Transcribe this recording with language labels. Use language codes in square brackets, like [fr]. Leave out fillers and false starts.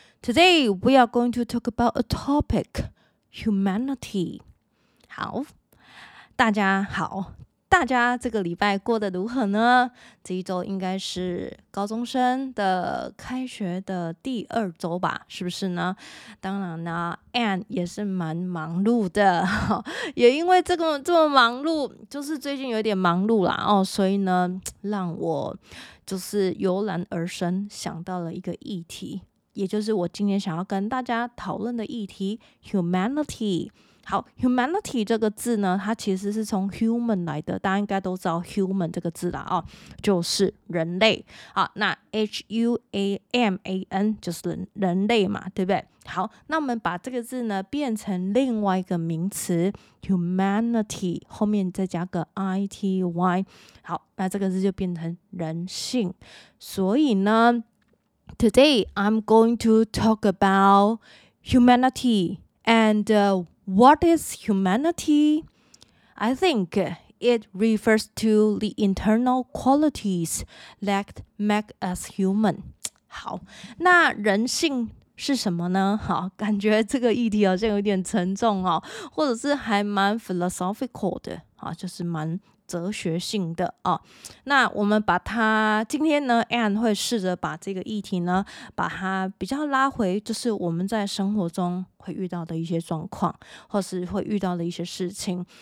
[en] Today, we are going to talk about a topic, humanity. [zh] 好，大家好，大家这个礼拜过得如何呢？这一周应该是高中生的开学的第二周吧，是不是呢？当然呢 ，Anne 也是蛮忙碌的，也因为这么忙碌，就是最近有点忙碌啦哦，所以呢，让我就是油然而生想到了一个议题，也就是我今天想要跟大家讨论的议题 ，humanity。好 ，humanity 这个字呢，它其实是从 human 来的，大家应该都知道 human 这个字啦哦，就是人类。好，那 human 就是人类嘛，对不对？好，那我们把这个字呢变成另外一个名词 humanity， 后面再加个 ity。好，那这个字就变成人性。所以呢 [en] ，today I'm going to talk about humanity and What is humanity? I think it refers to the internal qualities that make us human. [zh] 好，那人性是什么呢？好，感觉这个议题好像有点沉重哦，或者是还蛮 philosophical 的啊，就是蛮哲学性的哦。那我们把它今天呢 ，Anne 会试着把这个议题呢，把它比较拉回，就是我们在生活中会遇到的一些状况，或是会遇到的一些事情。